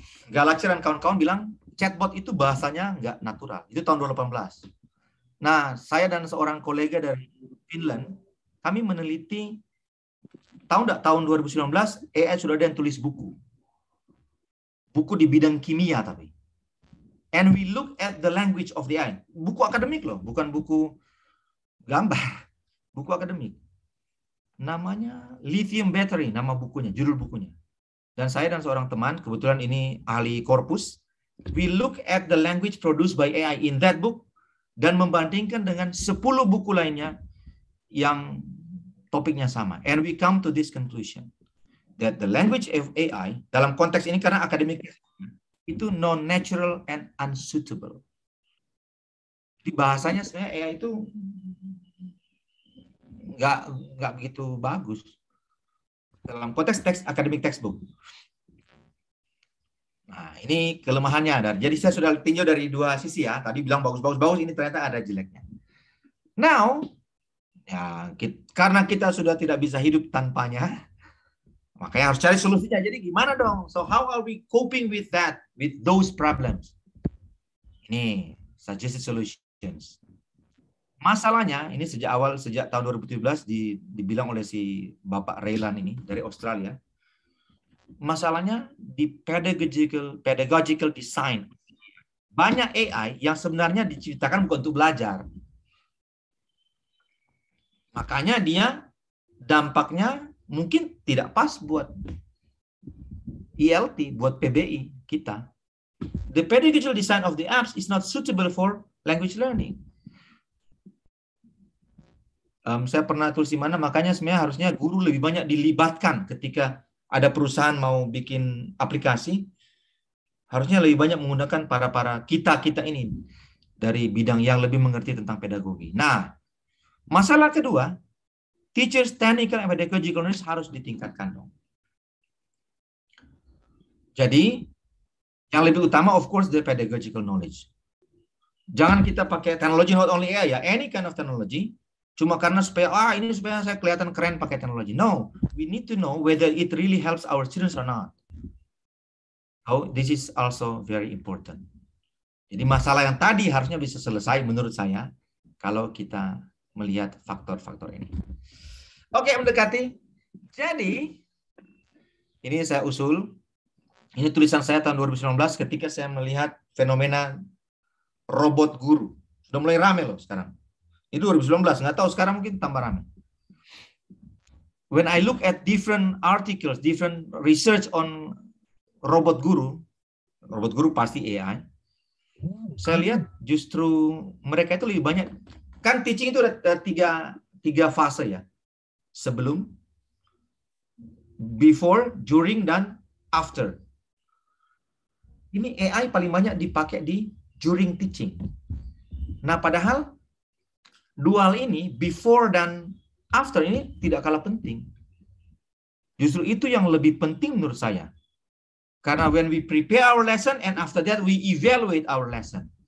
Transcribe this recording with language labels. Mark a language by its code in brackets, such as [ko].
[id] Galaxy dan kawan-kawan bilang, chatbot itu bahasanya nggak natural. Itu tahun 2018. Nah, saya dan seorang kolega dari Finland, kami meneliti, tahu nggak tahun 2019, AI sudah ada yang tulis buku. Buku di bidang kimia tapi. [en] And we look at the language of the AI. [id] Buku akademik loh, bukan buku gambar. Buku akademik. Namanya Lithium Battery, nama bukunya, judul bukunya. Dan saya dan seorang teman, kebetulan ini ahli korpus, [en] we look at the language produced by AI in that book [id] dan membandingkan dengan 10 buku lainnya yang topiknya sama. [en] And we come to this conclusion that the language of AI [id] dalam konteks ini karena akademik itu [en] non-natural and unsuitable. [id] Di bahasanya sebenarnya AI itu nggak begitu bagus dalam konteks teks akademik textbook. Nah, ini kelemahannya. Jadi saya sudah tinjau dari dua sisi ya. Tadi bilang bagus-bagus-bagus, ini ternyata ada jeleknya. Now, ya, karena kita sudah tidak bisa hidup tanpanya, makanya harus cari solusinya. Jadi gimana dong? [en] So how are we coping with that, with those problems? [id] Ini [en] suggested solutions. [id] Masalahnya, ini sejak tahun 2017 dibilang oleh si Bapak Raylan ini dari Australia. Masalahnya di pedagogical design. Banyak AI yang sebenarnya diciptakan bukan untuk belajar. Makanya dia dampaknya mungkin tidak pas buat ELT, buat PBI kita. [en] The pedagogical design of the apps is not suitable for language learning. [id] Saya pernah tulis di mana, makanya sebenarnya harusnya guru lebih banyak dilibatkan ketika ada perusahaan mau bikin aplikasi, harusnya lebih banyak menggunakan para-para kita-kita ini dari bidang yang lebih mengerti tentang pedagogi. Nah, masalah kedua, [en] teachers technical and pedagogical knowledge [id] harus ditingkatkan dong. Jadi, yang lebih utama [en] of course the pedagogical knowledge. [id] Jangan kita pakai teknologi [en] not only AI, [id] ya, [en] any kind of technology, [id] cuma karena supaya ini supaya saya kelihatan keren pakai teknologi. [en] No, we need to know whether it really helps our students or not. Oh, this is also very important. [id] Jadi masalah yang tadi harusnya bisa selesai menurut saya kalau kita melihat faktor-faktor ini. Oke, mendekati. Jadi ini saya usul. Ini tulisan saya tahun 2019 ketika saya melihat fenomena robot guru. Sudah mulai rame loh sekarang. Ini 2019, nggak tahu sekarang mungkin tambah ramai. [en] When I look at different articles, different research on [id] robot guru pasti AI, saya lihat justru mereka itu lebih banyak, kan teaching itu ada tiga fase ya, sebelum, before, during, dan after. Ini AI paling banyak dipakai di during teaching. Nah, padahal dual ini, before dan after ini tidak kalah penting. Justru itu yang lebih penting menurut saya. [en] Karena when we prepare our lesson and after that we evaluate our lesson.